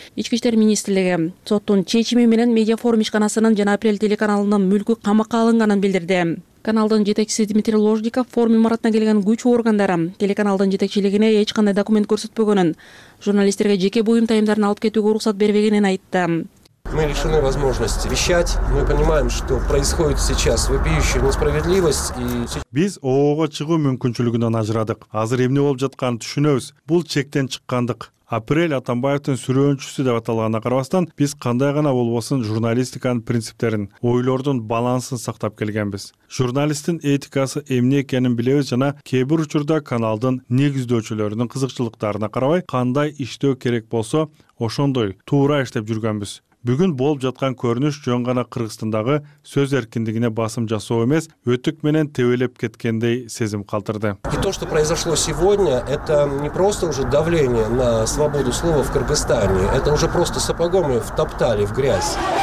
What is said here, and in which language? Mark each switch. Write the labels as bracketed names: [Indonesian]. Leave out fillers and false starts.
[Kyrgyz] Ички иштер министрлиги соттун чечими менен медиа форум ишканасынын жана Апрель телеканалынын мүлкү камакка алынганын билдирди. Каналдын жетекчиси Дмитрий Ложников форум имаратына келген күч органдары телеканалдын жетекчилигине эч кандай документ көрсөтпөгөнүн, журналисттерге жеке буюм тайымдарын алып кетүүгө уруксат бербегенин айтты. [Russian] Мы лишены возможности вещать. Мы понимаем, что происходит сейчас вопиющая несправедливость. [Kyrgyz] Биз ООО-го чыгуу мүмкүнчүлүгүнөн ажырадык. Азыр эмне болуп жатканын түшүнөбүз. Бул чектен чыккандык. Апрель Атамбаевдин сүрөөнчүсү деп аталганына карабастан, биз кандай гана болбосун журналистиканын принциптерин, ойлордун балансын сактап келгенбиз. Журналисттин этикасы эмне экенин билебиз жана кээ бир учурда каналдын негиздөөчүлөрүнүн кызыкчылыктарына карабай, кандай иштөө керек болсо, ошондой туура иштеп жүргөнбүз. Бүгүн болуп жаткан көрүнүш жөн гана Кыргызстандагы сөз эркиндигине басым жасоо эмес, өтүк менен тебелеп кеткендей сезим калтырды. [Russian] И то, что произошло сегодня, это не просто уже давление на свободу слова в Кыргызстане, это уже просто сапогом её втоптали в грязь.